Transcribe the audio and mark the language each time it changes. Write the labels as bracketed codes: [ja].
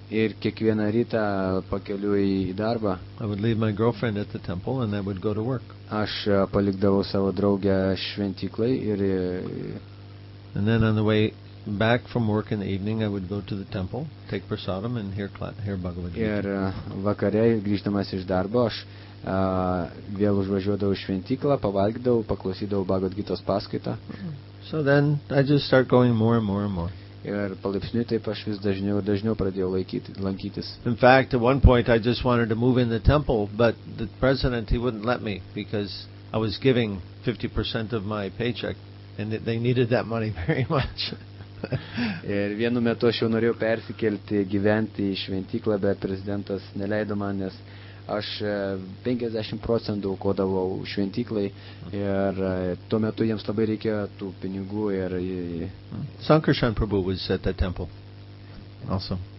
[lt] Ir kiekvieną rytą pakeliui į darbą. [en] I would leave my girlfriend at the temple and I would go to work. [lt] Aš palikdavau savo draugę šventyklai ir [en] and then on the way back from work in the evening I would go to the temple, take prasadam and hear Bhagavad Gita. [lt] Ir vakare grįždamas iš darbo aš vėl užvažiuodavau į šventyklą, pavalgydavau, paklausydavau Bhagavad Gitos paskaitą. [en] So then I just start going more and more and more. [lt] Ir palaipsniui taip aš vis dažniau ir dažniau pradėjau lankytis. [en] In fact, at one point I just wanted to move in the temple, but the president, he wouldn't let me because I was giving 50% of my paycheck and they needed that money very much. [lt] Ir vienu metu aš jau norėjau persikelti gyventi į šventyklą, bet prezidentas neleido man, nes aš 50% aukodavau šventyklai ir tuo metu jiems labai reikėjo tų pinigų ir [en] Sankarshan Prabhu was at the temple also.